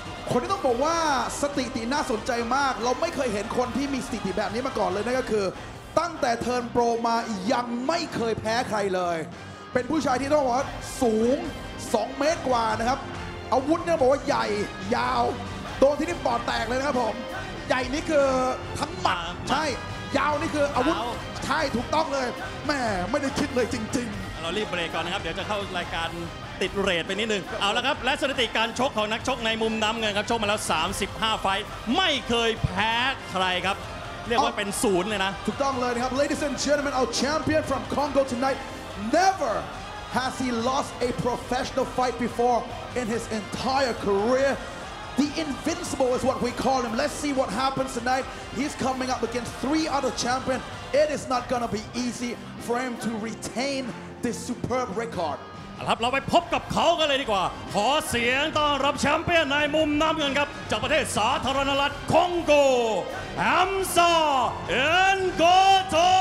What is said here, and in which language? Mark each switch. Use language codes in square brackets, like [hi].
[th] คนที่ต้องบอกว่าสถิติน่าสนใจมากเราไม่เคยเห็นคนที่มีสถิติแบบนี้มาก่อนเลยนั่นก็คือตั้งแต่เทิร์นโปรมายังไม่เคยแพ้ใครเลยเป็นผู้ชายที่ต้องบอกว่าสูง2เมตรกว่านะครับอาวุธเนี่ยบอกว่าใหญ่ยาวโดนที่นี่ปอดแตกเลยนะครับผมใหญ่นี่คือทั้งหมัดใช่ยาวนี่คืออาวุธใช่ถูกต้องเลยแม่ไม่ได้คิดเลยจริง ๆเรารีบเบรกก่อนนะครับเดี๋ยวจะเข้ารายการติดเรทไปนิดนึงเอาละครับและสถิติการชกของนักชกในมุมน้ำเงินครับชกมาแล้ว35ไฟต์ไม่เคยแพ้ใครครับเรียกว่าเป็นศูนย์เลยนะ ถูกต้องเลยครับ [en] Ladies and gentlemen our champion from Congo tonight never has he lost a professional fight before in his entire careerThe Invincible is what we call him. Let's see what happens tonight. He's coming up against three other champions. It is not going to be easy for him to retain this superb record. [th] ครับเราไปพบกับเขากันเลยดีกว่าขอเสียงต้อนรับแชมเปี้ยนในมุมน้ำเงินครับจากประเทศสาธารณรัฐคองโกฮัมซาเอ็นโกโต